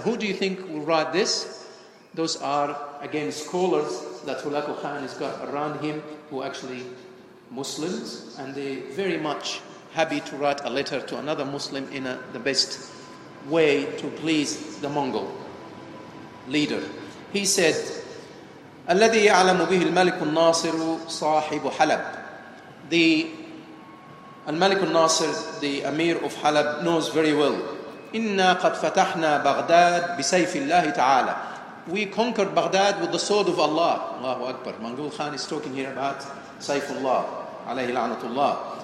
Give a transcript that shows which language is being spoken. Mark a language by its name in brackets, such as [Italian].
[English] Who do you think will write this? Those are, again, scholars that Hulagu Khan has got around him, who are actually Muslims, and they very much happy to write a letter to another Muslim in the best way to please the Mongol leader. He said, [Arabic] الَّذِي يَعْلَمُ بِهِ الْمَلِكُ النَّاصِرُ صَاحِبُ حَلَبُ. [English] The al-Malik al-Nasir, the Amir of Halab, knows very well, [Arabic] إِنَّا قَدْ فَتَحْنَا بَغْدَادْ بِسَيْفِ اللَّهِ تَعَالَى. [English] We conquered Baghdad with the sword of Allah. Allahu Akbar. Mangul Khan is talking here about Saifullah, alayhi la'natullah.